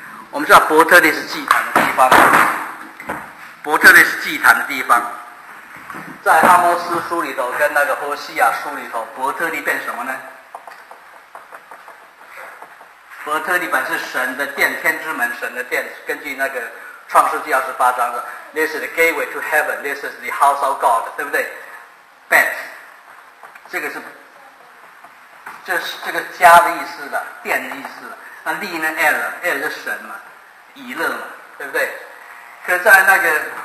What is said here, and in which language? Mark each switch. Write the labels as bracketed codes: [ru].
[zh] 我们知道伯特利是祭坛的地方，伯特利是祭坛的地方。在阿摩斯书里头跟那个何西亚书里头，伯特利变什么呢？伯特利本是神的殿，天之门，神的殿。根据那个创世纪28章的 [en] ，This is the gateway to heaven. This is the house of God， [zh] 对不对 ？Bet， 这是家的意思的，殿的意思的。那利呢 ？El 是神嘛，以勒嘛，对不对？可在那个。